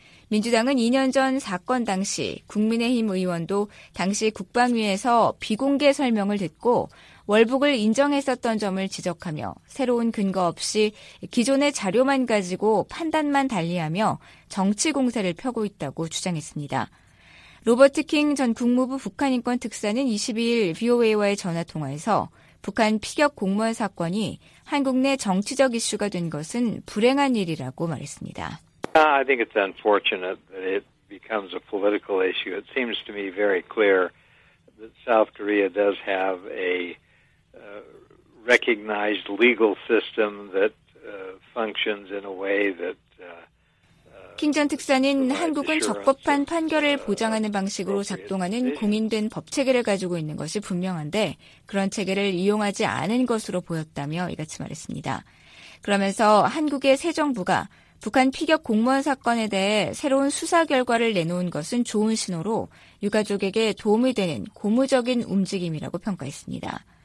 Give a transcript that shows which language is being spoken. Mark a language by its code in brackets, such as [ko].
[ko] 민주당은 2년 전 사건 당시 국민의힘 의원도 당시 국방위에서 비공개 설명을 듣고 월북을 인정했었던 점을 지적하며 새로운 근거 없이 기존의 자료만 가지고 판단만 달리하며 정치 공세를 펴고 있다고 주장했습니다. 로버트 킹 전 국무부 북한인권특사는 22일 VOA와의 전화통화에서 북한 피격 공무원 사건이 한국 내 정치적 이슈가 된 것은 불행한 일이라고 말했습니다. [en] I think it's unfortunate that it becomes a political issue. It seems to me very clear that South Korea does have a recognized legal system that functions in a way that [ko] 킹 전 특사는 한국은 적법한 판결을 보장하는 방식으로 작동하는 공인된 법 체계를 가지고 있는 것이 분명한데 그런 체계를 이용하지 않은 것으로 보였다며 이같이 말했습니다. 그러면서 한국의 새 정부가 북한 피격 공무원 사건에 대해 새로운 수사 결과를 내놓은 것은 좋은 신호로 유가족에게 도움이 되는 고무적인 움직임이라고 평가했습니다.